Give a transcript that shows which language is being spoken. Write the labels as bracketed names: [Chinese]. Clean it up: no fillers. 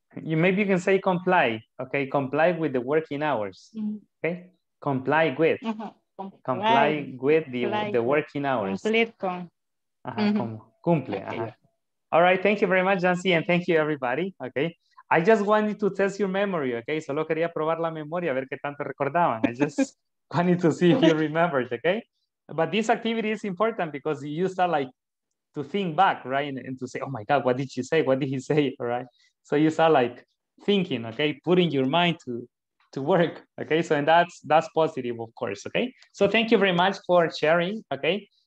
[English] You maybe you can say comply. Okay, comply with the working hours. Mm-hmm. Okay. Comply with. Uh-huh. Comply with the working hours. Cumple. Okay. All right. Thank you very much, Jansi, and thank you, everybody. Okay. I just wanted to test your memory. Okay. [Spanish] Solo quería probar la memoria, ver qué tanto recordaban. [English] I just wanted to see if you remembered. Okay. But this activity is important because you start like to think back, right? And to say, oh my God, what did you say? What did he say? All right. So you start like thinking, okay, putting your mind to work, okay? So, and that's positive, of course, okay? So thank you very much for sharing, okay?